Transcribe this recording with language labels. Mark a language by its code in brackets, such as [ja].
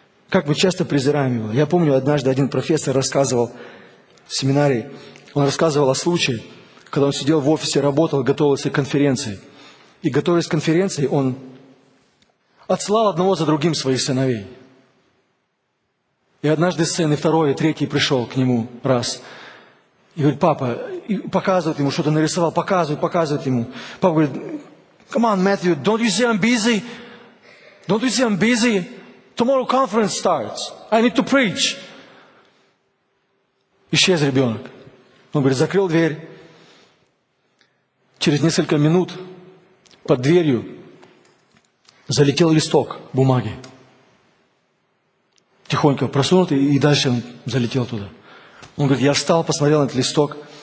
[ru] Как мы часто презираем его. Я помню, однажды один профессор рассказывал в семинаре, он рассказывал о случае, когда он сидел в офисе, работал, готовился к конференции. И готовясь к конференции, он отсылал одного за другим своих сыновей. И однажды сын, и второй, и третий пришел к нему раз. И говорит: папа, и показывает ему, что-то нарисовал, показывает ему. [en] Папа говорит: come on, Matthew, don't you see I'm busy? Don't you see I'm busy? Tomorrow conference starts. I need to preach. [ru] Исчез ребенок. Он говорит, закрыл дверь. Через несколько минут под дверью залетел листок бумаги. Тихонько просунутый, и дальше он залетел туда. Он говорит, я встал, посмотрел на этот листок.